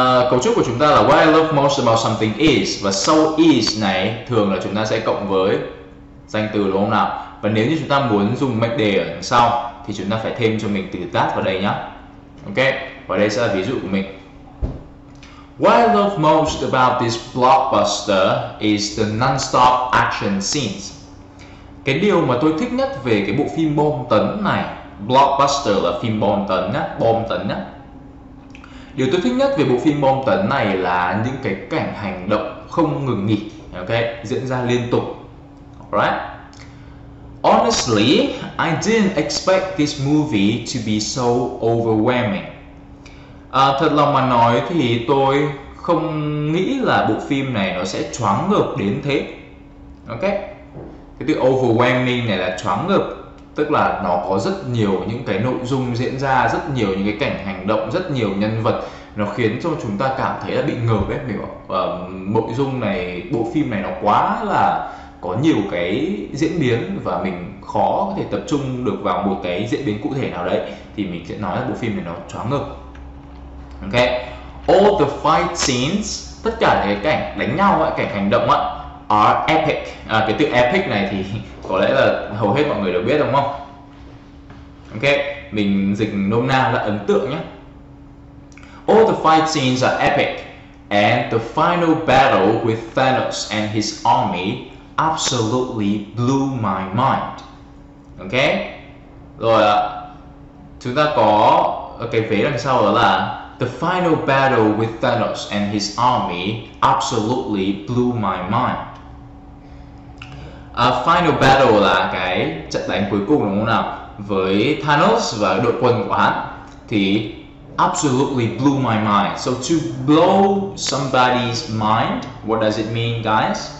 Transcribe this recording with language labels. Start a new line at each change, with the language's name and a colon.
Vietnamese: Cấu trúc của chúng ta là
English: What I love most about something is,
Vietnamese: và sau is này thường là chúng ta sẽ cộng với danh từ, đúng không nào? Và nếu như chúng ta muốn dùng mệnh đề ở đằng sau thì chúng ta phải thêm cho mình từ that vào đây nhá. Ok, và đây sẽ là ví dụ của mình.
English: What I love most about this blockbuster is the non-stop action scenes.
Vietnamese: Cái điều mà tôi thích nhất về cái bộ phim bom tấn này, blockbuster là phim bom tấn nhá, bom tấn nhá. Điều tôi thích nhất về bộ phim bom tấn này là những cái cảnh hành động không ngừng nghỉ, ok, diễn ra liên tục.
English: Alright. Honestly, I didn't expect this movie to be so overwhelming.
Vietnamese: Thật lòng mà nói thì tôi không nghĩ là bộ phim này nó sẽ choáng ngợp đến thế. Ok. Cái từ overwhelming này là choáng ngợp, tức là nó có rất nhiều những cái nội dung diễn ra, rất nhiều những cái cảnh hành động, rất nhiều nhân vật, nó khiến cho chúng ta cảm thấy là bị ngợp ấy, hiểu không? Nội dung này, bộ phim này nó quá là có nhiều cái diễn biến và mình khó có thể tập trung được vào một cái diễn biến cụ thể nào đấy, thì mình sẽ nói là bộ phim này nó choáng ngợp. Ok,
English: all the fight scenes,
Vietnamese: tất cả những cái cảnh đánh nhau ấy, cảnh hành động ấy,
English: are epic.
Vietnamese: À, cái từ epic này thì có lẽ là hầu hết mọi người đều biết đúng không? Ok, mình dịch nôm na là ấn tượng nhé.
English: All the fight scenes are epic, and the final battle with Thanos and his army absolutely blew my mind.
Vietnamese: Ok, rồi chúng ta có cái vế đằng sau đó là
English: the final battle with Thanos and his army absolutely blew my mind. A final battle
Vietnamese: là cái trận đánh cuối cùng đúng không nào, với Thanos và đội quân của hắn, thì
English: absolutely blew my mind. So to blow somebody's mind, what does it mean, guys?